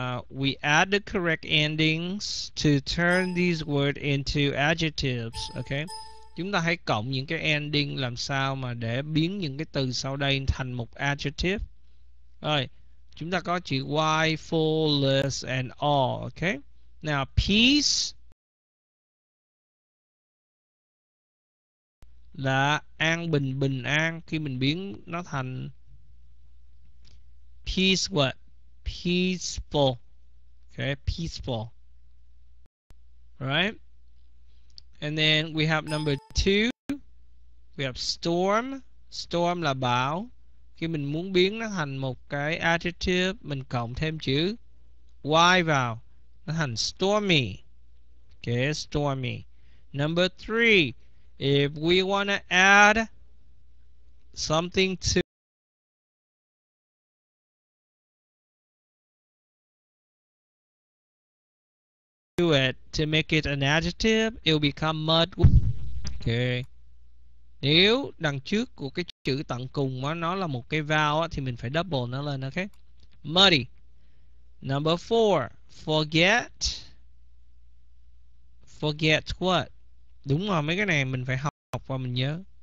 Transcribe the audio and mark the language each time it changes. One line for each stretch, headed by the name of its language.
English: We add the correct endings to turn these words into adjectives. Okay.
Vietnamese: Chúng ta hãy cộng những cái ending làm sao mà để biến những cái từ sau đây thành một adjective. Rồi. Chúng ta có chữ y, full, less, and all. Okay. Now, peace là an bình, bình an. Khi mình biến nó thành
English: peace what? Peaceful. Okay, peaceful. Right? And then we have number two. We have storm. Storm
Vietnamese: là bão. Khi mình muốn biến nó thành một cái adjective, mình cộng thêm chữ y vào.
English: Nó thành stormy. Okay, stormy. Number three. If we want to add something to it to make it an adjective, it will become mud. Okay.
Vietnamese: Nếu đằng trước của cái chữ tận cùng đó, nó là một cái vowel thì mình phải double nó lên.
English: Okay. Muddy. Number four. Forget. Forget what?
Vietnamese: Đúng rồi, mấy cái này mình phải học, học và mình nhớ.